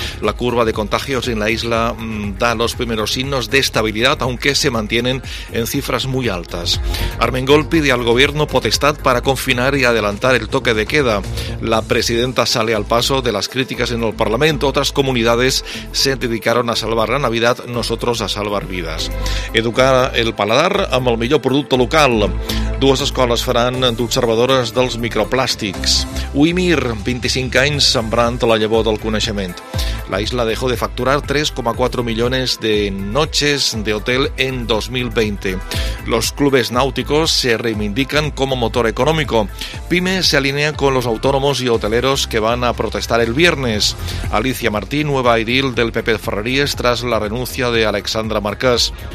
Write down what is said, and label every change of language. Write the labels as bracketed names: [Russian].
[Spanish] La curva de contagios en la isla da los primeros signos de estabilidad, aunque se mantienen en cifras muy altas. Armengol pide al gobierno potestad para confinar y adelantar el toque de queda. La presidenta sale al paso de las críticas en el Parlamento. Otras comunidades se dedicaron a salvar la Navidad, nosotros a salvar vidas. [Catalan] Educar el paladar amb el millor producte local. Dues escoles faran d'observadores dels microplàstics. Uimir, 25 anys sembrant la llavor del coneixement. [Spanish] La isla dejó de facturar 3,4 millones de noches de hotel en 2020. Los clubes náuticos se reivindican como motor económico. PYME se alinea con los autónomos y hoteleros que van a protestar el viernes. Alicia Martí, nueva edil del PP de Ferreries tras la renuncia de Alexandra Marcas.